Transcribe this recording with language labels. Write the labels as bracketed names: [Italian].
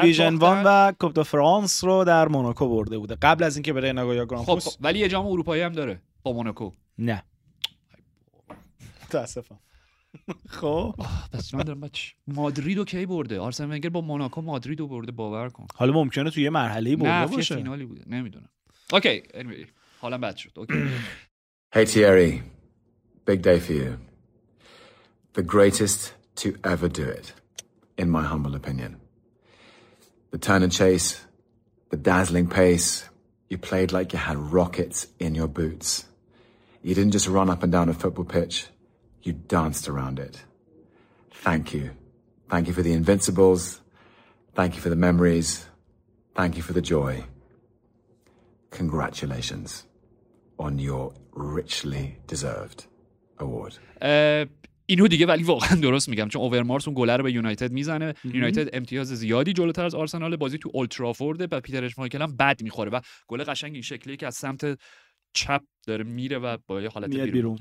[Persian] دیویژن وان و کوپ دو فرانس رو در موناکو برده بوده قبل از اینکه بره نگویا گران پرس. خب ولی یه جام اروپایی هم داره با موناکو. نه متاسفم. خب پس من دارم بچ مادرید رو کی برده؟ آرسن ونگر با موناکو مادرید رو برده، باور کن. حالا ممکنه توی یه مرحله برده باشه، نه فینالی بوده نمیدونم. اوکی حالا بد شد. [English] Hey Thierry, big day for you. The greatest to ever do it, in my humble opinion. The turn and chase, the dazzling pace, you played like you had rockets in your boots. You didn't just run up and down a football pitch, you danced around it. Thank you. Thank you for the invincibles. Thank you for the memories. Thank you for the joy. Congratulations on your richly deserved award. [Persian] اینو دیگه ولی واقعا درست میگم، چون اوورمارس اون گل رو به یونایتد میزنه. یونایتد امتیاز زیادی جلوتر از آرسنال، بازی تو اولترافورد و پیتر اشمایکل هم بد میخوره و گل قشنگ این شکلی که از سمت چپ داره میره و با یه حالت بیرون.